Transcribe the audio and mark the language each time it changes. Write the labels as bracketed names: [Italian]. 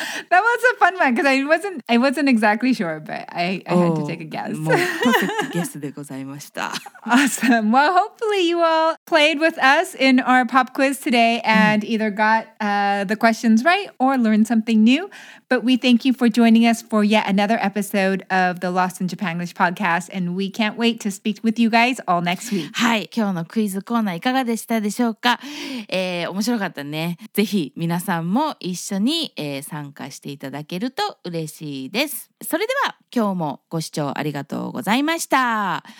[English] That was a fun one because I wasn't exactly sure, but I had to take a guess. [Japanese] もうパーフェクトでございました。 [English] Awesome. Well, hopefully you all played with us in our pop quiz today and either got the questions right or learned something new. But we thank you for joining us for yet another episode of the Lost in Japanglish podcast. And we can't wait to speak with you guys all next week. [Japanese] はい、今日のクイズコーナーいかがでしたでしょうか？面白かったね。ぜひ皆さんも一緒に、参加していただけると嬉しいです。それでは今日もご視聴ありがとうございました。